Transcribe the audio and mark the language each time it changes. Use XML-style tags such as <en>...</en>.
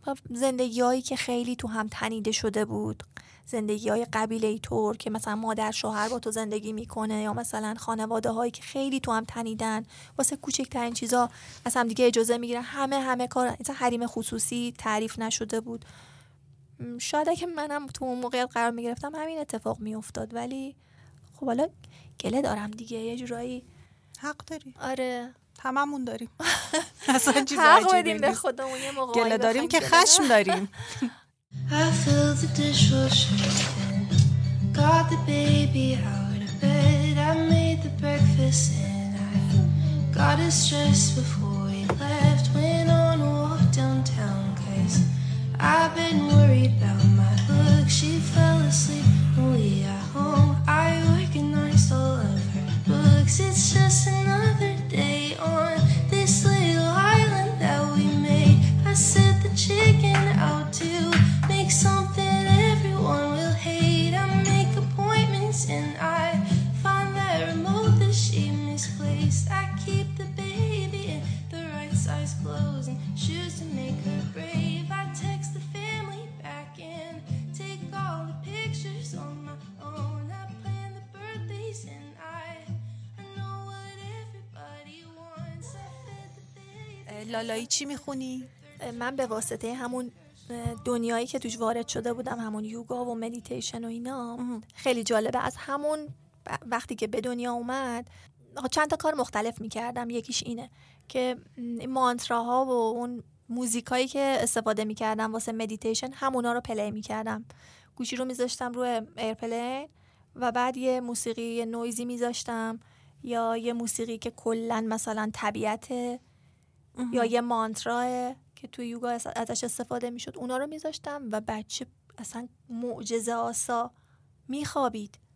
<fa>زندگی هایی که خیلی تو هم تنیده شده بود، زندگی های قبیله ای طور که مثلا مادر شوهر با تو زندگی میکنه، یا مثلا خانواده هایی که خیلی تو هم تنیدن واسه کوچکترین چیزا از هم دیگه اجازه میگیرن، همه کار مثلا حریم خصوصی تعریف نشده بود، شاید اگه منم تو اون موقعیت قرار میگرفتم همین اتفاق میافتاد. ولی خب حالا گله دارم دیگه، یه جورایی حق داری. آره هممون داریم اصلا چیز عجیبی نیست، حق بدیم به خودمون یه موقعی گله داریم که خشم داریم.</fa> <en>I filled the dishwasher again, got the baby out of bed, I made the breakfast and I got his dress before he left, went on a walk downtown cause I've been worried about my look, she fell asleep only at home, I recognized all of her books, it's just another day on this little island that we made, I set the chicken out to something everyone will hate, I make appointments and I find that remote that she misplaced, I keep the baby in the right size clothes and shoes to make her brave, I text the family back and take all the pictures on my own, I plan the birthdays and I know what everybody wants, I fed the baby.</en> <fa>لالایی چی میخونی؟ من به واسطه همون دنیایی که توش وارد شده بودم، همون یوگا و مدیتیشن و اینا، خیلی جالبه از همون وقتی که به دنیا اومد چند تا کار مختلف میکردم، یکیش اینه که مانتراها و اون موزیکایی که استفاده میکردم واسه مدیتیشن همونا رو پلی میکردم، گوشی رو میذاشتم روی ایرپلین و بعد یه موسیقی نویزی میذاشتم یا یه موسیقی که کلن مثلا طبیعت یا یه مانتراه که توی یوگا ازش استفاده می شد اونا رو می زاشتم و بچه اصلا معجزه آسا می خوابید.</fa>